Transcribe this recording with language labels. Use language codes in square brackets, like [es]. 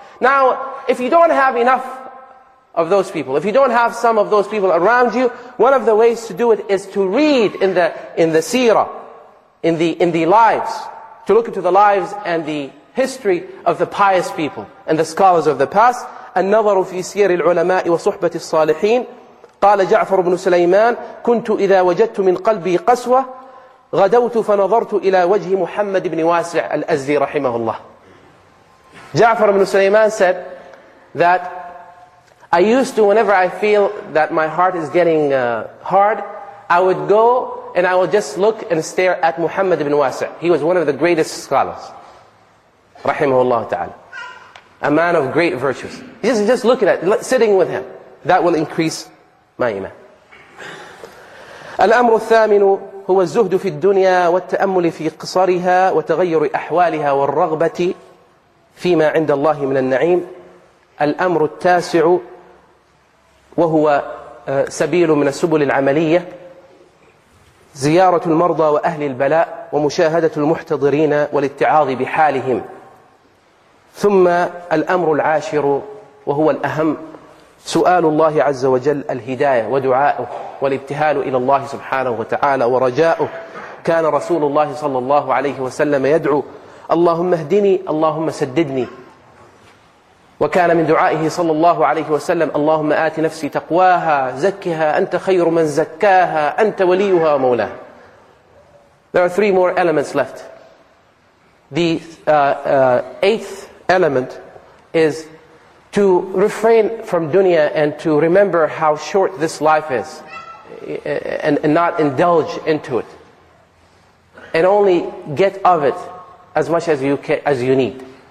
[en] Now, if you don't have enough of those people, if you don't have some of those people around you, one of the ways to do it is to read in the seerah, in the lives, to look into the lives and the history of the pious people and the scholars of the past. [ar] النظر في سير العلماء وصحبة الصالحين قال جعفر بن سليمان كنت إذا وجدت من قلبي قسوة غدوت فنظرت إلى وجه محمد بن واسع الأزدي رحمه الله. [en] جعفر بن سليمان said that I used to, whenever I feel that my heart is getting hard, I would go and I would just look and stare at Muhammad ibn Wasi'. He was one of the greatest scholars, rahimahullah ta'ala. A man of great virtues. Just looking at, sitting with him. That will increase my iman. [ar] الأمر الثامن هو الزهد في الدنيا والتأمل في قصرها وتغير أحوالها والرغبة فيما عند الله من النعيم. الأمر التاسع وهو سبيل من السبل العملية زيارة المرضى وأهل البلاء ومشاهدة المحتضرين والاتعاظ بحالهم. ثم الأمر العاشر وهو الأهم سؤال الله عز وجل الهداية ودعاؤه والابتهال إلى الله سبحانه وتعالى ورجاؤه. كان رسول الله صلى الله عليه وسلم يدعو اللهم اهدني اللهم سددني. وكان من دعائه صلى الله عليه وسلم اللهم آت نفسي تقواها زكها أنت خير من زكاها أنت وليها ومولاها. [en] There are three more elements left. The eighth element is to refrain from dunya and to remember how short this life is and not indulge into it and only get of it as much as you need.